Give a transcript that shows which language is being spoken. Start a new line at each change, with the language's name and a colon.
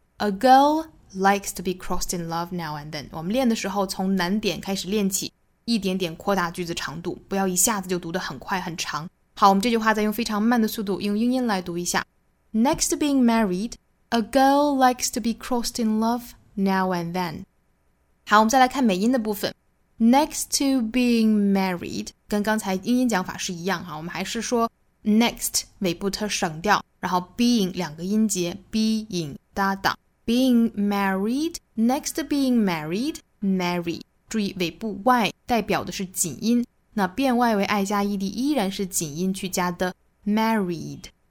English: A girl likes to be crossed in love now and then.
Chinese: 我们练的时候从难点开始练起，一点点扩大句子长度，不要一下子就读得很快很长。好，我们这句话再用非常慢的速度用英音来读一下。
English: Next to being married, a girl likes to be crossed in love now and then.
Chinese: 好，我们再来看美音的部分。
English: Next to being married,
Chinese: 跟刚才英音讲法是一样哈，我们还是说Next, 尾部特省掉，然后 being, 两个音节 being, 搭档
English: being married, next to being married, marry,
Chinese: 注意尾部 y 代表的是紧音，那变 y 为 i 加 ed 依然是紧音去加的 married,